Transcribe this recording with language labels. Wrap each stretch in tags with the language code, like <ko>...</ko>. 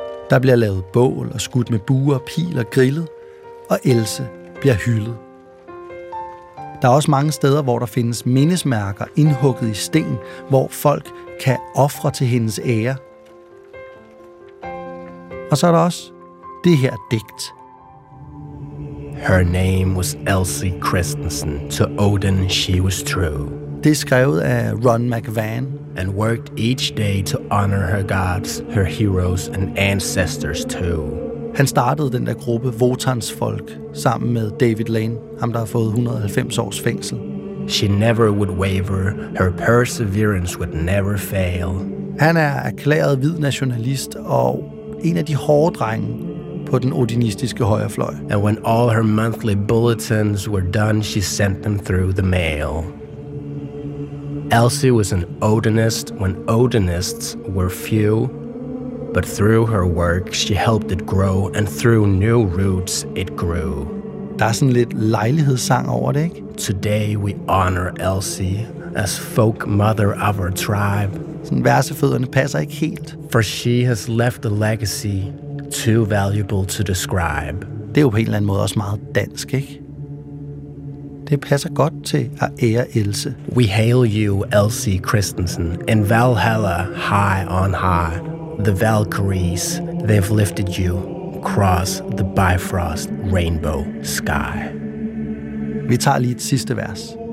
<da>Der bliver lavet bål og skudt med buer, pil og grillet, og Else bliver hyldet. Der er også mange steder, hvor der findes mindesmærker indhugget i sten, hvor folk kan ofre til hendes ære. Og så er der også det her digt.</da> <en>Her name was Elsie Christensen. To Odin she was true.</en> <da>Det er skrevet af Ron McVann.</da> <en>And worked each day to honor her gods, her heroes and ancestors too.</en> <da>Han startede den der gruppe Votans folk sammen med David Lane, ham der har fået 190 års fængsel.</da> <en>She never would waver, her perseverance would never fail.</en> <da>Han er erklæret hvid nationalist og en af de hårde drenge på den odinistiske højrefløj.</da> <en>And when all her monthly bulletins were done, she sent them through the mail. Elsie was an Odinist when Odinists were few, but through her work she helped it grow, and through new roots it grew.</en> <da>Der er sådan lidt lejlighedssang over det, ikke?</da> <en>Today we honor Elsie as folk mother of our tribe.</en> <da>Sådan versefødderne passer ikke helt.</da> <en>For she has left a legacy too valuable to describe.</en> <da>Det er jo på en eller anden måde også meget dansk, ikke? Det passer godt til at ære Else.</da> <en>We hail you, Elsie Christensen, in Valhalla, high on high. The Valkyries, they've lifted you across the Bifrost rainbow sky.</en> <da>Vi tager lige et sidste vers.</da>